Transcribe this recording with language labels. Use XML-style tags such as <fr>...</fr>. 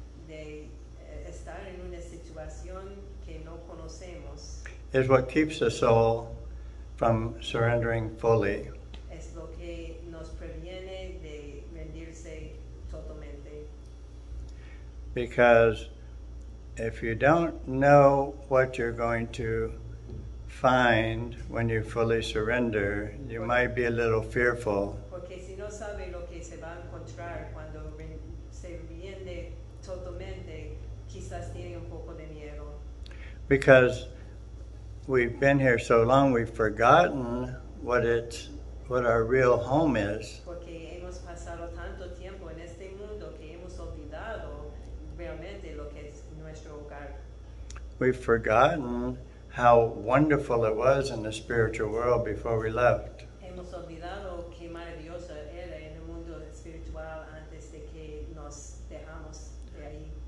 <es>de estar en una situación que no conocemos</es> <en>is what keeps the soul from surrendering fully.</en> <es>Es lo que nos previene de rendirse totalmente.</es> <en>Because if you don't know what you're going to find when you fully surrender, you might be a little fearful.</en> <es>Porque si no sabe lo que se va a encontrar cuando se rinde totalmente, quizás tiene un poco de miedo.</es> <en>Because we've been here so long, we've forgotten what our real home is.</en> <es>Porque hemos pasado tanto tiempo en este mundo que hemos olvidado realmente lo que es nuestro hogar.</es> <en>We've forgotten how wonderful it was in the spiritual world before we left.</en> <es>Hemos olvidado qué maravilloso era en el mundo espiritual antes de que nos dejamos de ahí.</es>